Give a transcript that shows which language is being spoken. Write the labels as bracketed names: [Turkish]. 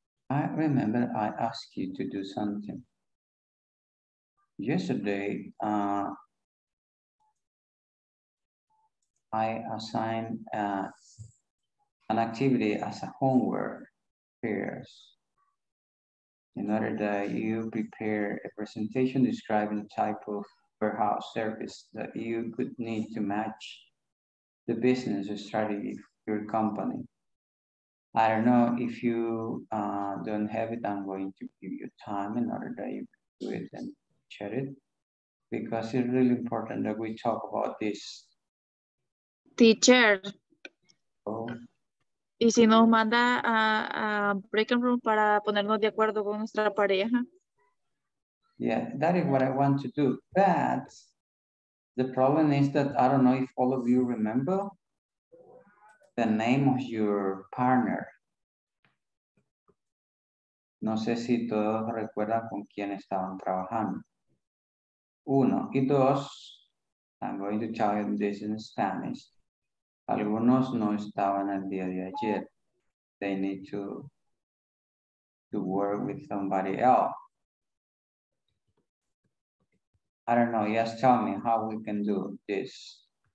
[English] I remember I asked you to do something. Yesterday, I assigned an activity as a homework pairs in order that you prepare a presentation describing the type of warehouse service that you could need to match the business strategy of your company. I don't know if you don't have it, I'm going to give you time in order that you can do it and share it, because it's really important that we talk about this. Teacher. Oh. [Spanish] Y si nos manda a break room para ponernos de acuerdo con nuestra pareja. [English] Yeah, that is what I want to do. But the problem is that I don't know if all of you remember the name of your partner. [Spanish] No sé si todos recuerdan con quién estaban trabajando. Uno. Y dos, [English] I'm going to tell you this in Spanish. [Spanish] Algunos no estaban el día de ayer. [English] They need to work with somebody else. I don't know, just tell me how we can do this.